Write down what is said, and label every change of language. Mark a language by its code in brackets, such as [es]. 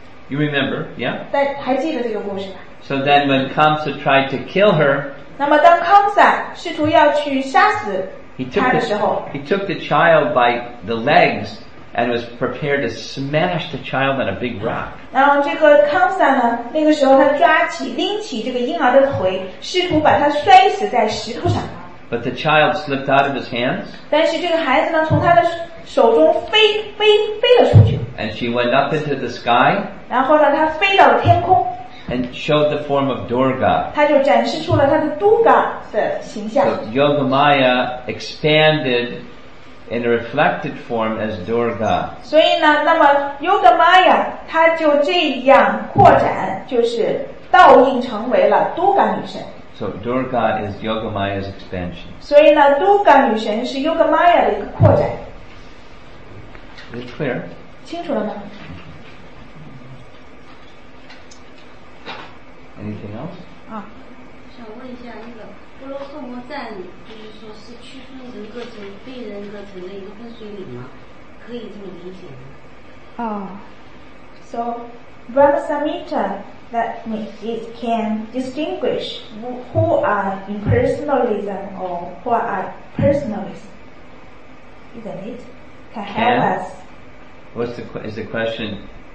[en] You remember, yeah? [zh] 但还记得这个故事吧？ [en] So then when Kamsa tried to kill her, [zh] 那么当 Kamsa 试图要去杀死他的时候， [en] he took the child by the legs and was prepared to smash the child on a big rock. [zh] 然后这个 Kamsa 呢，那个时候他抓起拎起这个婴儿的腿，试图把他摔死在石头上。 [en] But the child slipped out of his hands. [zh] 但是这个孩子呢，从他的手中飞了出去。 [en] And she went up into the sky. [zh] 然后呢，他飞到了天空。 [en] And showed the form of Durga. [zh] 他就展示出了他的 Durga 的形象。 [en] So Yogamaya expanded in a reflected form as Durga. [zh] 所以呢，那么 Yogamaya 他就这样扩展，就是倒映成为了 Durga 女神。 [en] So Durga is Yogamaya's expansion. [zh] 所以呢，Durga 女神是 Yogamaya 的一个扩展。 [en] Good. clear? [zh] 清楚了吗？ [en] Anything else? 啊， [zh] 想问一下那个波罗颂钵赞，就是说是区分人格层、非人格层的一个分水岭吗？可以这么理解吗？啊。 [en] So, Brahma Samhita, that it can distinguish who are impersonalism or who are personalism, isn't it? Can help us. What's the, is the question?